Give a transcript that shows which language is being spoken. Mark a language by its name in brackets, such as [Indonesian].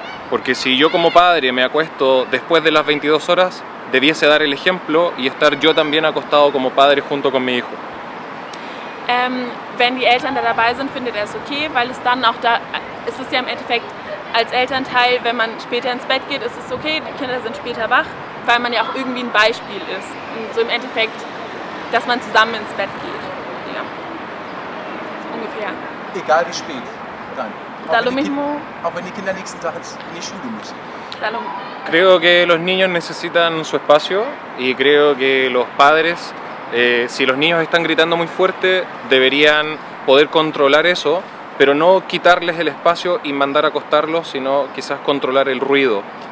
[Spanish] Porque si yo como padre me acuesto después de las 22 horas, debiese dar el ejemplo y estar yo también acostado como padre junto con mi hijo. [German] Wenn die Eltern da dabei sind, findet er es okay, weil es dann auch da, es ist ja im Endeffekt als Elternteil, wenn man später ins Bett geht, ist es okay, die Kinder sind später wach, weil man ja auch irgendwie ein Beispiel ist. Und so im Endeffekt, dass man zusammen ins Bett geht. Ja. Ungefähr. Egal wie spät, dann. Auch wenn die Kinder nächsten Tag in die Schule müssen. [Spanish] Creo que los niños necesitan su espacio y creo que los padres, si los niños están gritando muy fuerte, deberían poder controlar eso, pero no quitarles el espacio y mandar a acostarlos, sino quizás controlar el ruido.